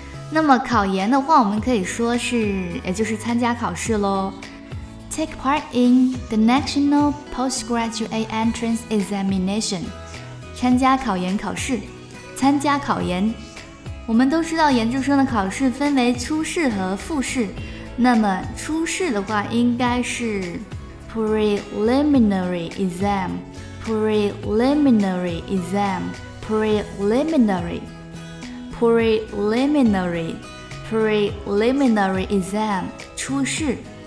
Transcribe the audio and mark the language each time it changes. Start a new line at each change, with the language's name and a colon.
Chinese: 那么考研的话，我们可以说是，也就是参加考试咯。
English: Take part in the National Postgraduate Entrance Examination，
Chinese: 参加考研考试，参加考研。我们都知道研究生的考试分为初试和复试，那么初试的话应该是 Preliminary Exam， Preliminary Exam， PreliminaryPreliminary exam， 初试。